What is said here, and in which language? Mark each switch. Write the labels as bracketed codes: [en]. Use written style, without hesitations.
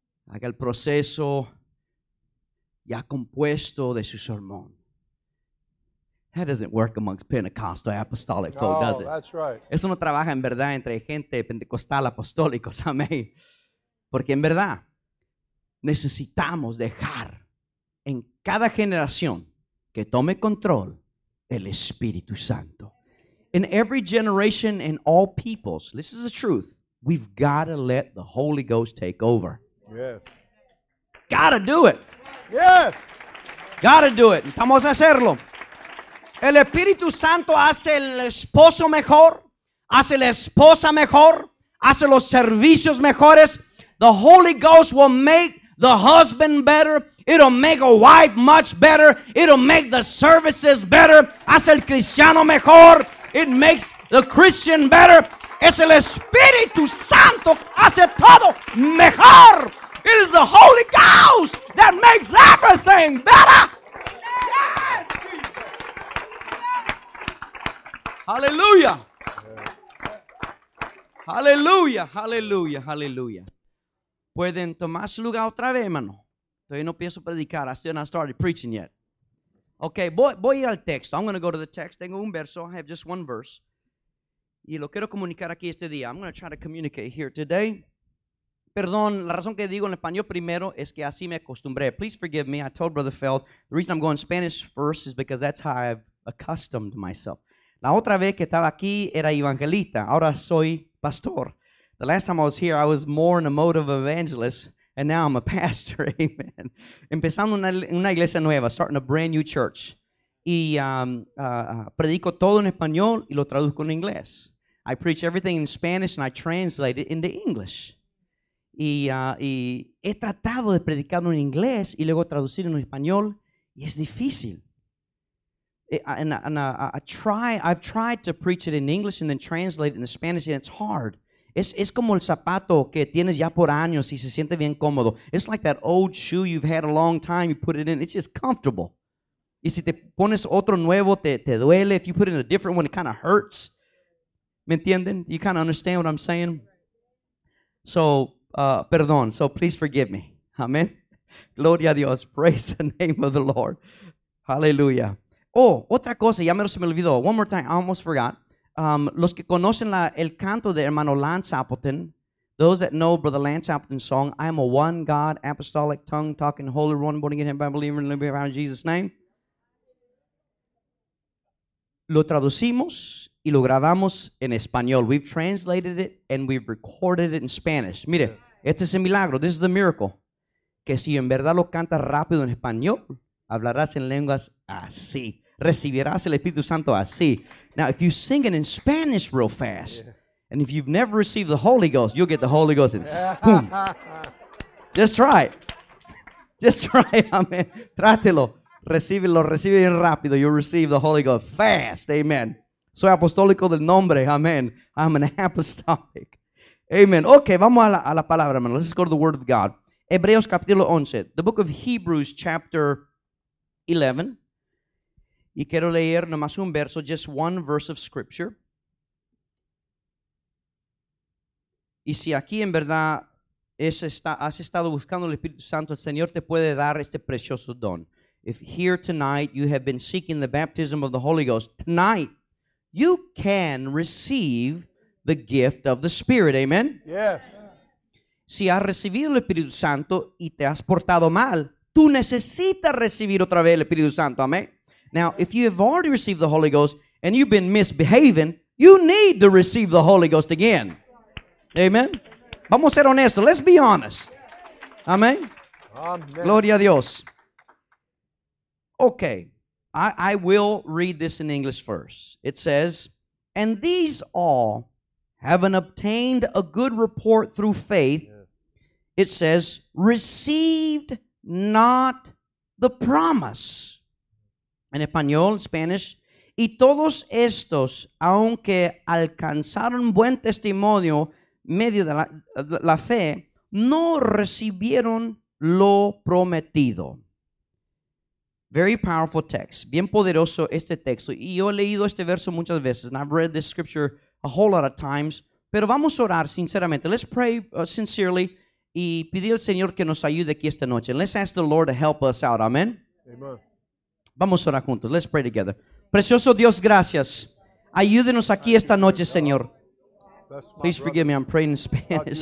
[es] Haga el proceso ya compuesto de su sermón. [en] That doesn't work amongst Pentecostal apostolic folk, does it? No, that's right. [es] Eso no trabaja en verdad entre gente pentecostal apostólico, amén. Porque en verdad necesitamos dejar en cada generación que tome control el Espíritu Santo. [en] In every generation and all peoples, this is the truth, we've got to let the Holy Ghost take over. Yes. Got to do it. Yes. Got to do it. [es] Estamos a hacerlo. El Espíritu Santo hace el esposo mejor, hace la esposa mejor, hace los servicios mejores. [en] The Holy Ghost will make the husband better. It'll make a wife much better. It'll make the services better. [es] Hace el cristiano mejor. [en] It makes the Christian better. [es] Es el Espíritu Santo hace todo mejor. [en] It is the Holy Ghost that makes everything better. Hallelujah. Yeah. [es] Hallelujah. Hallelujah. Hallelujah. Pueden tomar su lugar otra vez, hermano. Todavía no pienso predicar. [en] I still not started preaching yet. [es] Okay, voy a ir al texto. [en] I'm going to go to the text. [es] Tengo un verso. [en] I have just one verse. [es] Y lo quiero comunicar aquí este día. [en] I'm going to try to communicate here today. [es] Perdón, la razón que digo en español primero es que así me acostumbré. [en] Please forgive me. I told Brother Feld, the reason I'm going Spanish first is because that's how I've accustomed myself. [es] La otra vez que estaba aquí era evangelista. Ahora soy pastor. [en] The last time I was here, I was more in the mode of evangelist, and now I'm a pastor. Amen. [es] Empezando una iglesia nueva, [en] starting a brand new church. [es] Y predico todo en español y lo traduzco en inglés. [en] I preach everything in Spanish and I translate it into English. [es] Y he tratado de predicarlo en inglés y luego traducirlo en español y es difícil. [en] I've tried to preach it in English and then translate it into Spanish and it's hard. [es] Es como el zapato que tienes ya por años y se siente bien cómodo. [en] It's like that old shoe you've had a long time, you put it in, it's just comfortable. [es] Y si te pones otro nuevo, te duele. [en] If you put in a different one, it kind of hurts. [es] ¿Me entienden? [en] You kind of understand what I'm saying? Perdón. So, please forgive me. Amen. [es] Gloria a Dios. [en] Praise the name of the Lord. Hallelujah. [es] Oh, otra cosa. Ya me lo se me olvidó. [en] One more time. I almost forgot. [es] Los que conocen el canto de hermano Lance Appleton, [en] those that know Brother Lance Appleton's song, I am a one God, apostolic, tongue-talking, holy one, born again, Bible believer, and living around in Jesus' name. [es] Lo traducimos y lo grabamos en español. [en] We've translated it and we've recorded it in Spanish. [es] Mire, este es el milagro. [en] This is the miracle. [es] Que si en verdad lo cantas rápido en español, hablarás en lenguas así. Recibirás el Espíritu Santo así. [en] Now, if you sing it in Spanish real fast, and if you've never received the Holy Ghost, you'll get the Holy Ghost and boom. Just try it. Just try it, amen. [es] Trátelo. Recíbelo, recibe bien rápido. [en] You receive the Holy Ghost fast. Amen. [es] Soy apostólico del nombre. Amen. [en] I'm an apostolic. [es] Amen. Okay, vamos a la palabra, hermano. [en] Let's go to the Word of God. [es] Hebreos capítulo 11. [en] The book of Hebrews chapter 11. [es] Y quiero leer nomás un verso, [en] just one verse of Scripture. [es] Y si aquí en verdad has estado buscando el Espíritu Santo, el Señor te puede dar este precioso don. [en] If here tonight you have been seeking the baptism of the Holy Ghost, tonight you can receive the gift of the Spirit. Amen? Yeah. [es] Si has recibido el Espíritu Santo y te has portado mal, tú necesitas recibir otra vez el Espíritu Santo. [en] Amen? Now, if you have already received the Holy Ghost and you've been misbehaving, you need to receive the Holy Ghost again. [es] Amen? Vamos a ser honestos. [en] Let's be honest. [es] Amen? Amen. Gloria a Dios. [en] Okay, I will read this in English first. It says, and these all, having obtained a good report through faith, it says, received not the promise. [es] En español, Spanish. Y todos estos, aunque alcanzaron buen testimonio medio de la fe, no recibieron lo prometido. [en] Very powerful text. [es] Bien poderoso este texto. Y yo he leído este verso muchas veces. [en] And I've read this scripture a whole lot of times. [es] Pero vamos a orar sinceramente. [en] Let's pray sincerely. [es] Y pedir al Señor que nos ayude aquí esta noche. [en] And let's ask the Lord to help us out. [es] Amen. Amen. Vamos a orar juntos. [en] Let's pray together. [es] Precioso Dios, gracias. Ayúdenos aquí esta noche, Señor. [en] Please forgive me. I'm praying in Spanish.